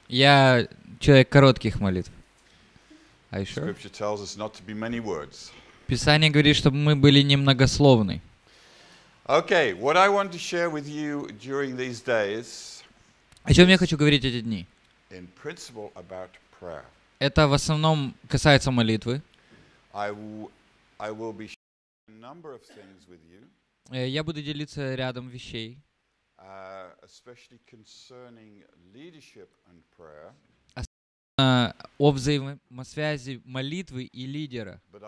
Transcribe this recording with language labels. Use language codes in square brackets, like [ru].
[ru] Я человек коротких молитв. [en] Are you sure? Scripture tells us not to be many words. [ru] Писание говорит, чтобы мы были немногословны. [en] Okay, what I want to share with you during these days. [ru] О чем я хочу говорить эти дни? [en] In principle about prayer. [ru] Это в основном касается молитвы. [en] I will be sharing a number of things with you. [ru] Я буду делиться рядом вещей. [en] Especially concerning leadership and prayer. [ru] О взаимосвязи молитвы и лидера.